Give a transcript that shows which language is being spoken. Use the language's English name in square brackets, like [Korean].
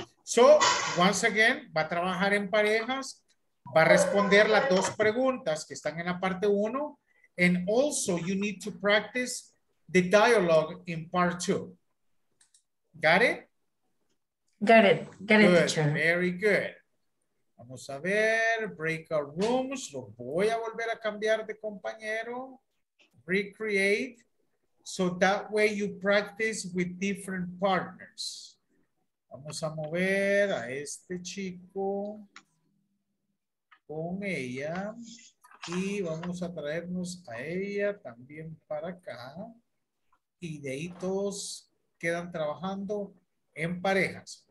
[English] So, once again, [Spanish] va a trabajar en parejas. Va a responder las dos preguntas que están en la parte uno. [English] And also, you need to practice the dialogue in part two. Got it, teacher. Very good. [Spanish] Vamos a ver. [English] Breakout rooms. [Spanish] Lo voy a volver a cambiar de compañero. [English] Recreate. So that way you practice with different partners. [Spanish] Vamos a mover a este chico con ella y vamos a traernos a ella también para acá y de ahí todos quedan trabajando en parejas.